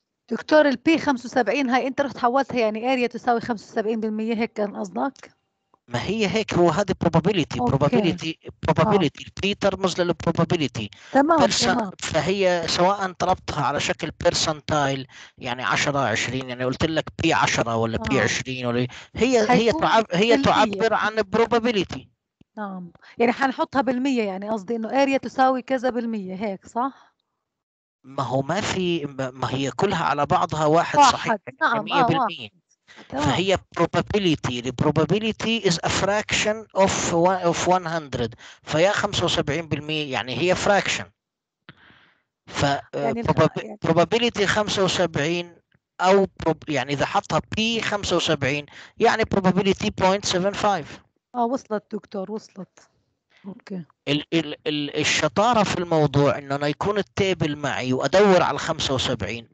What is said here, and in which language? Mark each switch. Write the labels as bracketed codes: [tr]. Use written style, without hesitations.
[ar] دكتور البي 75 هاي انت رحت حولتها يعني اريا تساوي 75%، هيك كان قصدك؟ ما هي هيك، هو هذه probability. [en] probability probability probability p [ar] ترمز [en] للprobability. [ar] تمام فهي سواء طلبتها على شكل percentile يعني 10 20، يعني قلت لك p 10 ولا p 20 ولا هي تعبر عن probability. نعم يعني حنحطها بالمية، يعني قصدي انه area تساوي كذا بالمية هيك صح؟ ما هو ما في، ما هي كلها على بعضها واحد صحيح. نعم 100%. فهي [en] probability، the probability is a fraction of 100، [ar] فهي 75% يعني هي [en] fraction. ف يعني [ar] probability 75 أو يعني إذا حطها P 75 يعني probability 0.75. وصلت دكتور، وصلت. أوكي. ال ال ال الشطارة في الموضوع إن أنا يكون التابل معي وأدور على 75.